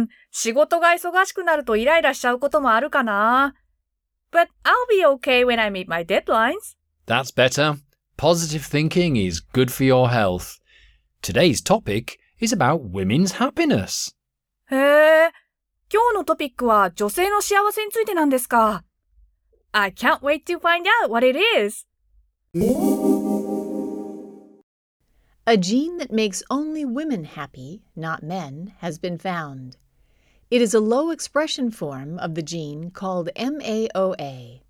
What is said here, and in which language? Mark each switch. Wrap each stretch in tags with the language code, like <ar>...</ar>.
<ja>仕事が忙しくなるとイライラしちゃうこともあるかな。</ja> <en>But I'll be okay when I meet my deadlines. That's better. Positive thinking is good for your health. Today's topic is about women's happiness.</en> <ja>へえ、今日のトピックは女性の幸せについてなんですか。</ja> <en>I can't wait to find out what it is. A gene that makes only women happy, not men, has been found. It is a low expression form of the gene called MAOA.</en>